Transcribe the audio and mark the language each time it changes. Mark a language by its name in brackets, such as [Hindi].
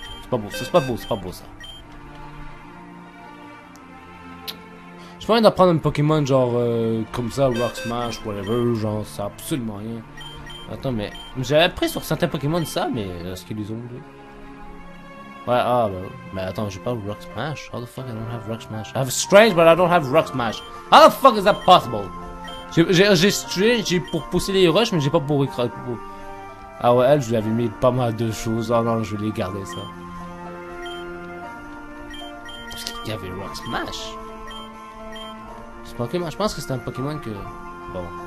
[French] Je peux pas prendre un Pokémon, genre, comme ça, Rock Smash, whatever, genre, ça, absolument rien. Attends, mais, j'avais appris sur certains Pokémon ça, mais, est-ce qu'ils les ont, lui? Ouais, ah, bah, mais attends, j'ai pas Rock Smash, [English] how the fuck I don't have Rock Smash? I have Strange, but I don't have Rock Smash, how the fuck is that possible? [French] J'ai pour pousser les rushs, mais j'ai pas pour écraser. Ah ouais, elle, je lui avais mis pas mal de choses. Ah non, je vais les garder, ça. Est-ce qu'il y avait Rock Smash? C'est pas Pokémon. Je pense que c'est un Pokémon que... Bon.